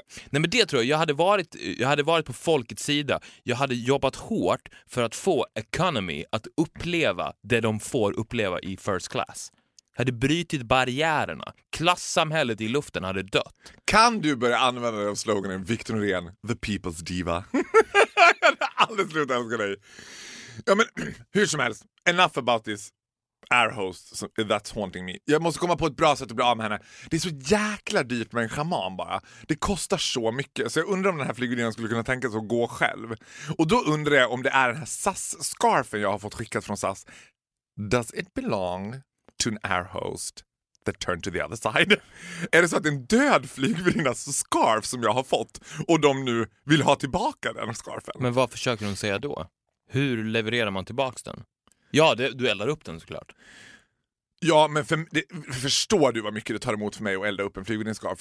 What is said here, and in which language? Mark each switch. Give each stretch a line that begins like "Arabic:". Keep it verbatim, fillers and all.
Swedish: Nej, men det tror jag. Jag hade, varit, jag hade varit på folkets sida. Jag hade jobbat hårt för att få economy att uppleva det de får uppleva i first class. Jag hade brytit barriärerna. Klassamhället i luften hade dött. Kan du börja använda den sloganen, Victor Norén, The People's Diva? Jag hade aldrig slutat älska dig. Ja, men hur som helst.
English: Enough about this. Air host, that's haunting me.
Swedish: Jag måste komma på ett bra sätt att bli av med henne. Det är så jäkla dyrt med en schaman bara. Det kostar så mycket. Så jag undrar om den här flygvärdinnan skulle kunna tänka sig att gå själv. Och då undrar jag om det är den här S A S-scarfen jag har fått skickat från S A S.
English: Does it belong to an air host that turned to the other side?
Swedish: Är det så att en död flygvärdinnas scarf som jag har fått och de nu vill ha tillbaka den scarfen? Men vad försöker de säga då? Hur levererar man tillbaka den? Ja, det, du eldar upp den såklart. Ja, men för, det, förstår du vad mycket det tar emot för mig att elda upp en flygvärdinneskarf?